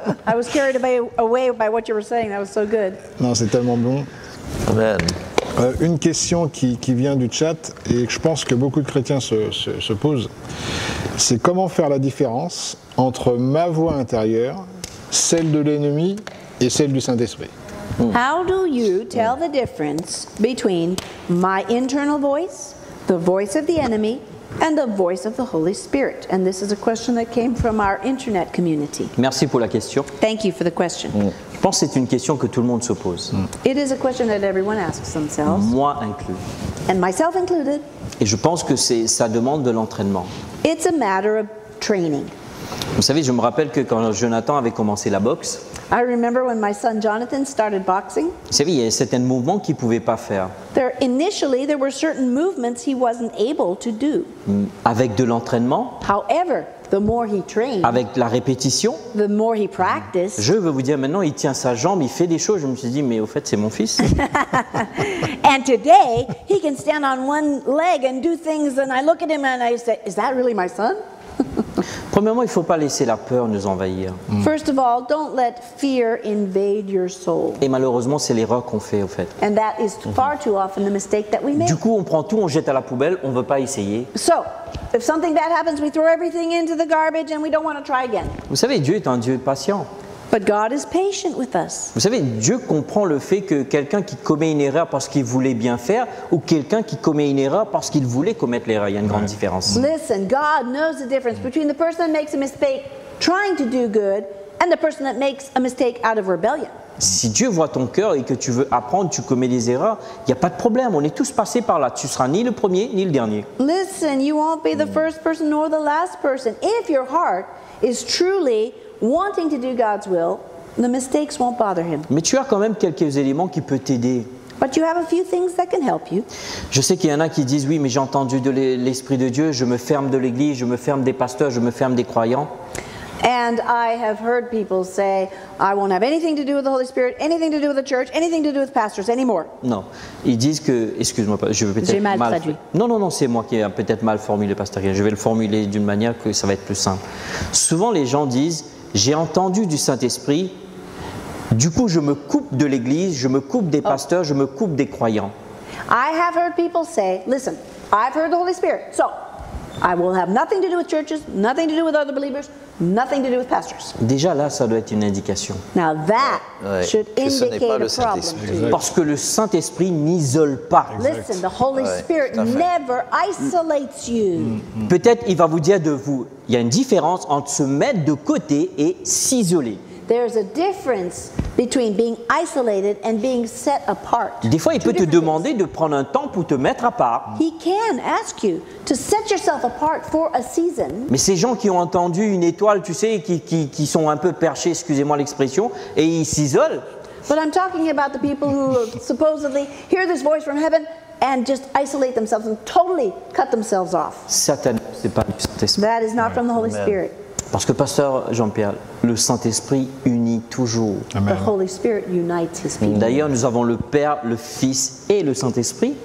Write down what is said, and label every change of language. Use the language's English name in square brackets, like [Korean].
[English] I was carried away by what you were saying. That was so good. [French] Non, c'est tellement bon. Amen. Une question qui vient du chat et que je pense que beaucoup de chrétiens se posent, c'est comment faire la différence entre ma voix intérieure, celle de l'ennemi et celle du Saint-Esprit. [English] How do you tell the difference between my internal voice, the voice of the enemy, and the voice of the Holy Spirit? And this is a question that came from our internet community. [French] Merci pour la question. [English] Thank you for the question. [French] Je pense que c'est une question que tout le monde se pose. [English] It is a question that everyone asks themselves. [French] Moi inclus. [English] And myself included. [French] Et je pense que ça demande de l'entraînement. [English] It's a matter of training. [French] Vous savez, je me rappelle que quand Jonathan avait commencé la boxe, [English] I remember when my son Jonathan started boxing. [French] Vous savez, il y a certains mouvements qu'il ne pouvait pas faire. [English] Initially, there were certain movements he wasn't able to do. [French] Avec de l'entraînement. [English] However, the more he trained. [French] Avec la répétition. [English] The more he practiced. [French] Je veux vous dire maintenant, il tient sa jambe, il fait des choses. Je me suis dit, mais au fait, c'est mon fils. [English] And today, he can stand on one leg and do things. And I look at him and I say, is that really my son? [French] Premièrement, il ne faut pas laisser la peur nous envahir. [English] First of all, don't let fear invade your soul. [French] Et malheureusement, c'est l'erreur qu'on fait, au fait. [English] And that is far too often the mistake that we make. [French] Du coup, on prend tout, on jette à la poubelle, on ne veut pas essayer. [English] So, if something bad happens, we throw everything into the garbage and we don't want to try again. [French] Vous savez, Dieu est un Dieu patient. [English] But God is patient with us. [French] Vous savez, Dieu comprend le fait que quelqu'un qui commet une erreur parce qu'il voulait bien faire ou quelqu'un qui commet une erreur parce qu'il voulait commettre l'erreur, il y a une grande différence. [English] Listen, God knows the difference between the person that makes a mistake trying to do good and the person that makes a mistake out of rebellion. [French] Si Dieu voit ton cœur et que tu veux apprendre, tu commets des erreurs, il n'y a pas de problème, on est tous passés par là, tu ne seras ni le premier ni le dernier. [English] Listen, you won't be the first person nor the last person. If your heart is truly wanting to do God's will, the mistakes won't bother him. [French] Mais tu as quand même quelques éléments qui peuvent t'aider. [English] But you have a few things that can help you. [French] Je sais qu'il y en a qui disent oui, mais j'ai entendu de l'esprit de Dieu, je me ferme de l'église, je me ferme des pasteurs, je me ferme des croyants. [English] And I have heard people say, I won't have anything to do with the Holy Spirit, anything to do with the church, anything to do with pastors anymore. [French] Non, ils disent que, excuse-moi, je vais peut-être mal traduit. Non, c'est moi qui ai peut-être mal formulé pastorien. Je vais le formuler d'une manière que ça va être plus simple. Souvent, les gens disent, j'ai entendu du Saint-Esprit, du coup, je me coupe de l'église, je me coupe des pasteurs, je me coupe des croyants. [English] I have heard people say, listen, I've heard the Holy Spirit, so I will have nothing to do with churches, nothing to do with other believers, nothing to do with pastors. [French] Déjà là, ça doit être une indication. [English] Now that should indicate a problem. [French] Parce que le Saint-Esprit n'isole pas. [English] Listen, the Holy Spirit never isolates you. [French] Peut-être il va vous dire de vous, il y a une différence entre se mettre de côté et s'isoler. [English] There's a difference between being isolated and being set apart. [French] Des fois, il peut te demander de prendre un temps pour te mettre à part. [English] He can ask you to set yourself apart for a season. [French] Mais ces gens qui ont entendu une étoile, tu sais, qui sont un peu perchés, excusez-moi l'expression, et ils s'isolent. [English] But I'm talking about the people who supposedly hear this voice from heaven and just isolate themselves and totally cut themselves off. [French] Certainement, c'est pas du Saint-Esprit. [English] That is not from the Holy Spirit. [French] Parce que pasteur Jean-Pierre, le Saint-Esprit unit toujours. [English] Amen. The Holy Spirit unites his people. [French] D'ailleurs, nous avons le Père, le Fils et le Saint-Esprit.